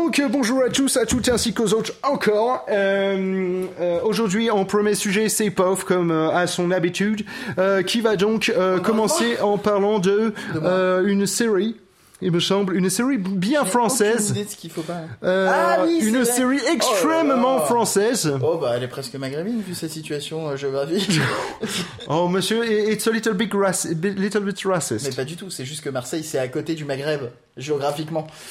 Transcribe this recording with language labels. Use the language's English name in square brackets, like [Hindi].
[French] Bonjour à tous, à toutes ainsi qu'aux autres encore. Aujourd'hui, en premier sujet, c'est Pof, comme à son habitude, qui va donc commencer en parlant de une série, il me semble, une série bien française. J'ai aucune idée de ce qu'il faut pas. Une vrai. Série extrêmement française. Oh, bah, elle est presque maghrébine, vu sa situation géographique. [English] Oh, monsieur, it's a little bit racist. [French] Mais pas du tout, c'est juste que Marseille, c'est à côté du Maghreb, géographiquement.